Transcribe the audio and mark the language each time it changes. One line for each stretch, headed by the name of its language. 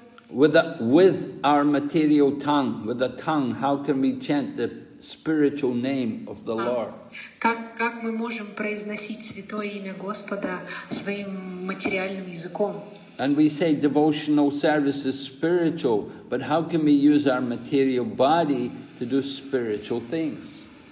English: With our material tongue, with a tongue, how can we chant the spiritual name of the Lord?
Russian: Как мы можем произносить святое имя Господа своим материальным языком?
English: And we say devotional service is spiritual, but how can we use our material body to do spiritual things?